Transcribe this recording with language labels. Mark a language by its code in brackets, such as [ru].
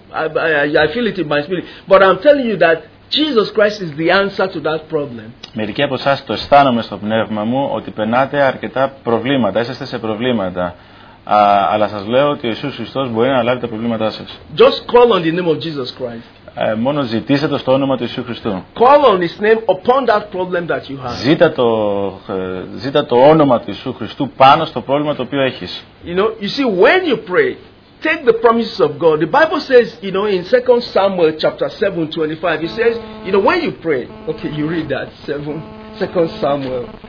[en] I feel it in my spirit. But I'm telling you that Jesus Christ is the answer to that problem. [el] Μερικοί από εσάς το αισθάνομαι στο πνεύμα μου ότι περνάτε αρκετά προβλήματα, είσαστε σε προβλήματα. Αλλά σας λέω ότι ο Ιησούς Χριστός μπορεί να λάβει τα προβλήματά σας. [en] Just call on the name of Jesus Christ. [el] Μόνο ζητήστε το στο όνομα του Ιησού Χριστού. [en] Call on his name upon that problem that you have. [el] Ζήτα το όνομα του Ιησού Χριστού πάνω στο πρόβλημα το οποίο έχεις. [en] You know, you see, when you pray, take the promises of God. The Bible says, you know, in 2 Samuel chapter 7, 25, it says, you know, when you pray, okay, you read that, 2 Samuel.